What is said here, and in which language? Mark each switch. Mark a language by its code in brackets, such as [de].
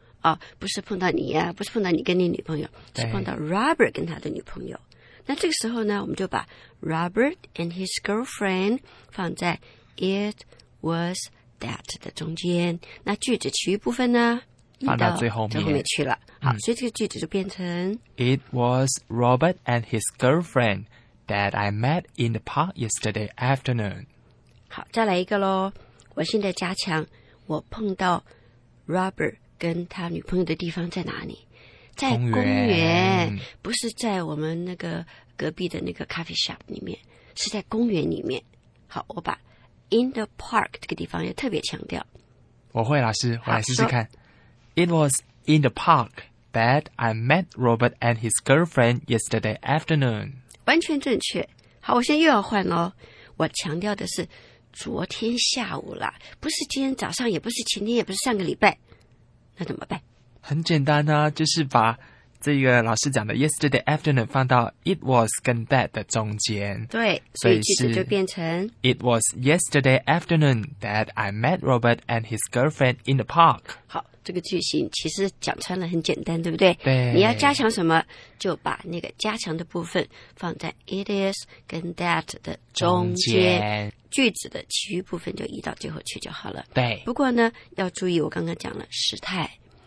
[zh] 啊，不是碰到你啊，不是碰到你跟你女朋友，是碰到 Robert 跟他的女朋友。那这个时候呢，我们就把 [en] Robert and his girlfriend [zh] 放在 [en] it was that [zh] 的中间。那句子其余部分呢，放到最后面，最后面去了。好，所以这个句子就变成 [en] It was Robert and his girlfriend that I met in the park yesterday afternoon. [zh] 好，再来一个咯。我现在加强，我碰到 Robert 跟他女朋友的地方在哪里？在公园，不是在我们那个隔壁的那个 coffee shop 里面，是在公园里面。好，我把 [en] in the park [zh] 这个地方也特别强调。我会，老师，我来试试看。 [en] It was in the park that I met Robert and his girlfriend yesterday afternoon. [zh] 完全正确。好，我现在又要换咯。我强调的是昨天下午啦，不是今天早上，也不是前天，也不是上个礼拜。那怎么办？很简单啊，就是把这个老师讲的 [en] yesterday afternoon [zh] 放到 [en] it was [zh] 跟 that 的中间。对，所以句子就变成 [en] It was yesterday afternoon that I met Robert and his girlfriend in the park. [zh] 好，这个句型其实讲穿了很简单，对不对？对。你要加强什么，就把那个加强的部分放在 [en] it is [zh] 跟 that 的中间。句子的其余部分就移到最后去就好了。对。不过呢，要注意我刚刚讲了时态。